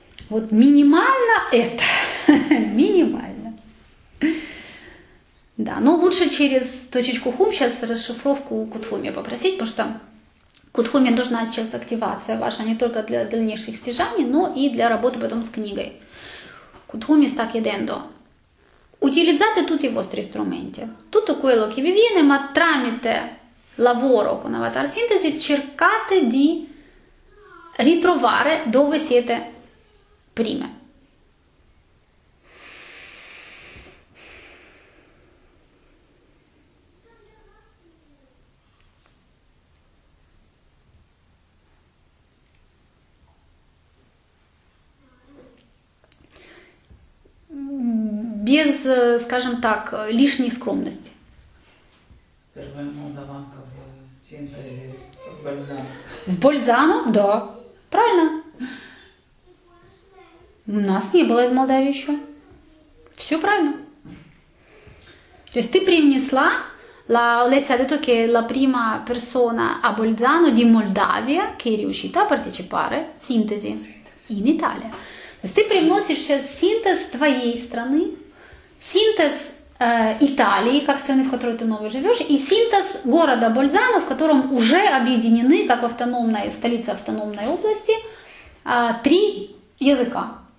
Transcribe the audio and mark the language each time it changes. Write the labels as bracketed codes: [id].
[ru] Вот минимально это, минимально. Да, но лучше через точечку хум сейчас расшифровку кутхуми попросить, потому что кутхуми нужна сейчас активация ваша не только для дальнейших стяжаний, но и для работы потом с книгой. Кутхуми стакидендо. [it] Utilizzate tutti i vostri strumenti, tutto quello che vi viene, ma tramite lavoro con Avatar Sintesi cercate di ritrovare dove siete prima. [ru] Без, скажем так, лишней скромности. В Бальзано? Да. Правильно. У нас не было в Молдавии еще. Все правильно. То есть ты принесла, [it] la Олеся ha detto che la prima persona a Bolzano di Moldavia che è riuscita a partecipare sintesi in Italia. [ru] То есть ты приносишь сейчас синтез твоей страны, синтез Италии, как страны, в которой ты новой живешь, и синтез города Бальзано, в котором уже объединены, как автономная столица автономной области, три языка.